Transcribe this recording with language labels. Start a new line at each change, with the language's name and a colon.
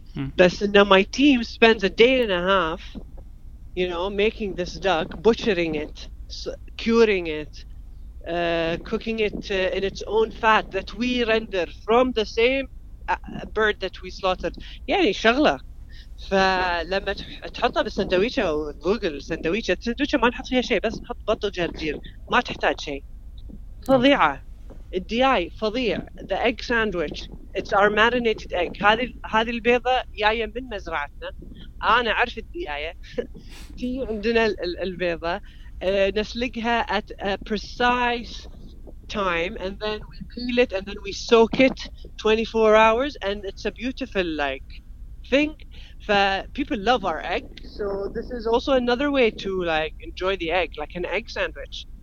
English: بس now my team spends a day and a half, you know, making this duck, butchering it, curing it, cooking it in its own fat that we render from the same bird that we slaughtered.
Arabic: يعني شغلة. فلما تحطها بالسندويشة أو جوجل سندويشة، السندويشة ما نحط فيها شيء، بس نحط بط وجرجير، ما تحتاج شيء. فظيعة. الدياي فظيع. The egg sandwich.
English: It's our marinated egg.
Arabic: هذه البيضة جاية من مزرعتنا. أنا عارف الدياية. في عندنا البيضة.
English: نسلقها at a precise time and then we peel it and then we soak it 24 hours and it's a beautiful like thing. People love our egg. So this is also another way to like enjoy the egg, like an egg sandwich.